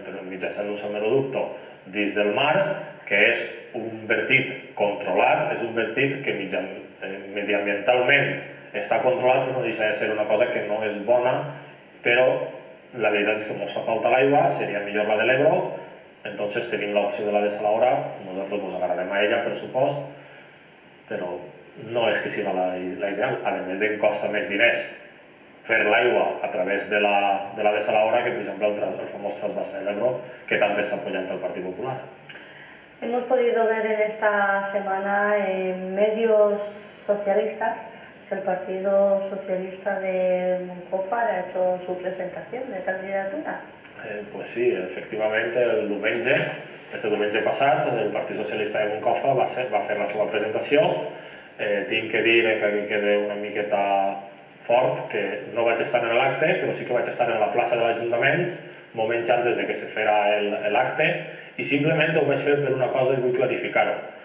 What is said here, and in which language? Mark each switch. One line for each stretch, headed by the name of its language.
Catalan: mitjançant un salmeroducte dins del mar, que és un vertit controlat, és un vertit que mediambientalment està controlat, no deixa de ser una cosa que no és bona, però la veritat és que ens fa falta l'aigua, seria millor la de l'Ebro, entonces tenim l'opció de la desaladora, nosaltres ens agarrarem a ella, per supost, però no és que sigui la ideal, a més que costa més diners fer l'aigua a través de la desaladora que, per exemple, el famós trasbassament de l'Ebro que tant està apoyant el Partit Popular.
Spanish: Hemos podido ver en esta semana en medios socialistas que el Partido Socialista de Moncofa ha hecho su presentación de candidatura. Pues sí, efectivamente,
Catalan: este diumenge passat, el Partit Socialista de Moncofa va fer la seva presentació. Tinc que dir, que quede una miqueta fort, que no vaig estar en l'acte, però sí que vaig estar en la plaça de l'Ajuntament, moments antes de que se fera l'acte, i simplement ho vaig fer per una cosa i vull clarificar-ho.